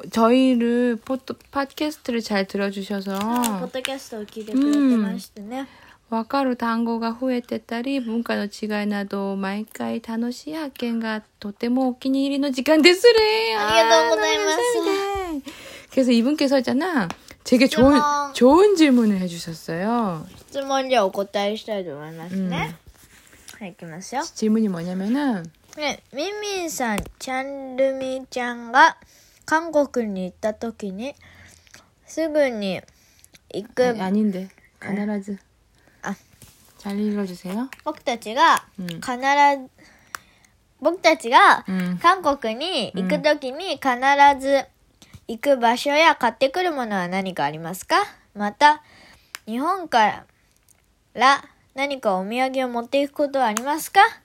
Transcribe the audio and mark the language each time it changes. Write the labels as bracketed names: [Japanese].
[Korean] 저희를포토팟캐스트를잘들어주셔서 포토캐스트를기대해주셨던분이시네요 [Japanese] わかる単語が増えてたり文化の違いなど毎回楽しい発見がとてもお気に入りの時間ですねありがとうございますそれで [Korean] 이분께서じゃな되게좋은좋은질문을해주셨어요 [Japanese] 質問にお答えしたいと思いますね、はい、行きますよ [Korean] 질문이뭐냐면은 [Japanese] ねミミンさんチャンルミちゃんが韓国に行った時にすぐに行く [Korean] 아닌데必ず잘읽어주세요 [Japanese] 僕たちが必ず、僕たちが韓国に行くときに必ず行く場所や買ってくるものは何かありますか？また、日本から何かお土産を持っていくことはありますか？